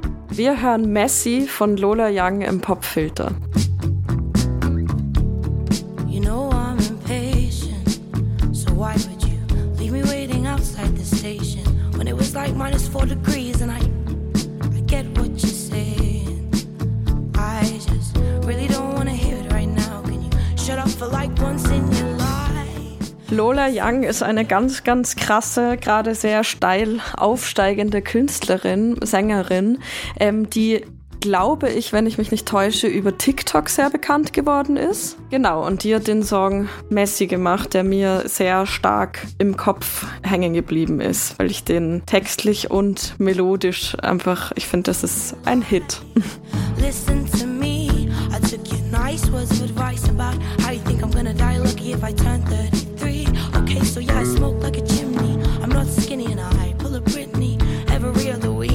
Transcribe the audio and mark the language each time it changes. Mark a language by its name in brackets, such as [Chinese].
[German] Wir hören Messi von Lola Young im Popfilter. [English] You know I'm impatient, so why would you leave me waiting outside the station when it was like minus 4 degrees and I get what you say. I just really don't want to hear it right now. Can you shut up for like once in your life? [German] Lola Young ist eine ganz, ganz krasse, gerade sehr steil aufsteigende Künstlerin, Sängerin, die, glaube ich, wenn ich mich nicht täusche, über TikTok sehr bekannt geworden ist. Genau, und die hat den Song Messi gemacht, der mir sehr stark im Kopf hängen geblieben ist, weil ich den textlich und melodisch einfach, ich finde, das ist ein Hit. [English] Listen to me, I took your nice words of advice about how you think I'm gonna die lucky if I turn 33. Okay, so yeah, I smoke like a chimney, I'm not skinny and I pull a Britney every other.